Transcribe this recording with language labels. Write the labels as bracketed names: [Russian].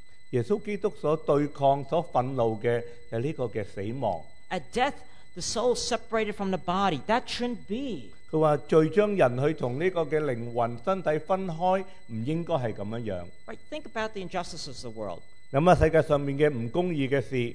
[Cantonese] 耶稣基督所对抗、所愤怒嘅系呢个嘅死亡。 [English] At death, the soul separated from the body. That shouldn't be. [Cantonese] 佢话罪将人去同呢个嘅灵魂身体分开，唔应该系咁样样。 [English] Right, think about the injustices of the world. [Cantonese] 谂下世界上面嘅唔公义嘅事。